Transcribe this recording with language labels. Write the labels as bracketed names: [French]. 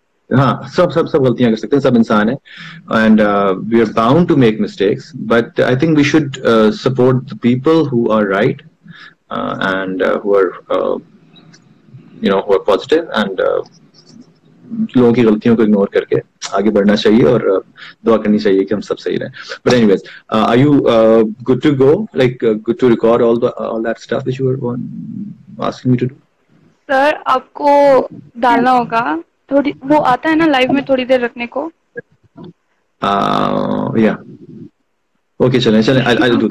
[Urdu] ہاں سب سب سب غلطیاں کر سکتے ہیں, سب انسان ہیں, [English] and we are bound to make mistakes, but I think we should support the people who are right and who are, you know, who are positive, and [Urdu] لوگوں کی غلطیوں کو اگنور کر کے آگے بڑھنا چاہیے, اور دعا کرنی چاہیے کہ ہم سب صحیح رہیں. [English] But anyways, are you good to go, like good to record all that stuff that you were asking me to do? [Urdu] Sir, آپ کو ڈالنا ہوگا تھوڑی, وہ آتا ہے نا لائیو میں تھوڑی دیر رکھنے کو, [English] yeah, okay, [Urdu] چلیں چلیں, [English] I'll do, آپ